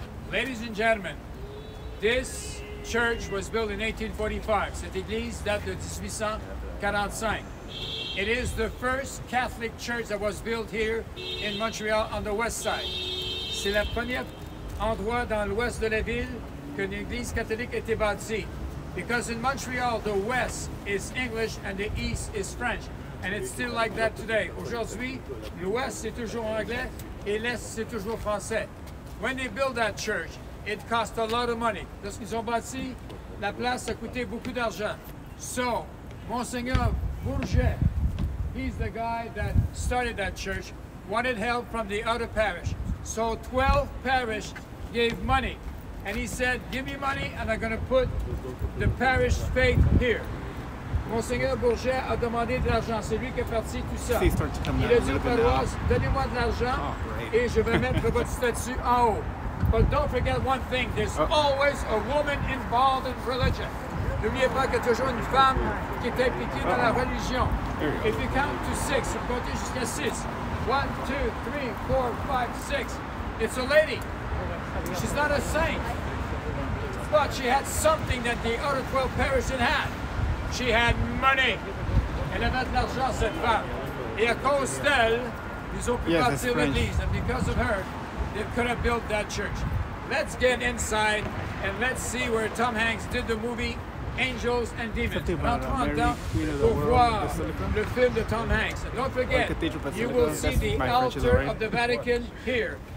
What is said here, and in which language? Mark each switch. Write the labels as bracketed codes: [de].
[en] Ladies and gentlemen, this church was built in 1845. [fr] Cette église date de 1845. [en] It is the first Catholic church that was built here in Montreal on the west side. [fr] C'est le premier endroit dans l'ouest de la ville que l'église catholique était bâtie. [en] Because in Montreal, the West is English and the East is French. And it's still like that today. [fr] Aujourd'hui, l'Ouest c'est toujours anglais et l'Est c'est toujours français. [en] When they built that church, it cost a lot of money. [fr] Lorsqu'ils ont bâti, la place a coûté beaucoup d'argent. [en] So, Monseigneur Bourget, he's the guy that started that church, wanted help from the other parish. So 12 parishes gave money. And he said, give me money and I'm going to put the parish faith here. [fr] Monseigneur Bourget a demandé de l'argent. C'est lui qui a parti tout ça. Il a dit aux paroisses, donnez-moi de l'argent et je vais mettre votre statue en haut. [en] But don't forget one thing. There's always a woman involved in religion. [fr] N'oubliez pas qu'il y a toujours une femme qui est impliquée dans la religion. [en] If you count to six, [fr] vous comptez jusqu'à six. [en] 1, 2, 3, 4, 5, 6. It's a lady. She's not a saint, but she had something that the other 12 parishes didn't have. She had money. [fr] Elle avait de l'argent, cette femme. Et à cause d'elle, ils ont pu bâtir l'église. [en] And because of her, they could have built that church. Let's get inside and let's see where Tom Hanks did the movie Angels and Demons. [fr] Rentrons en dedans pour voir le film de Tom Hanks. [en] And don't forget, you will see the altar of the Vatican here.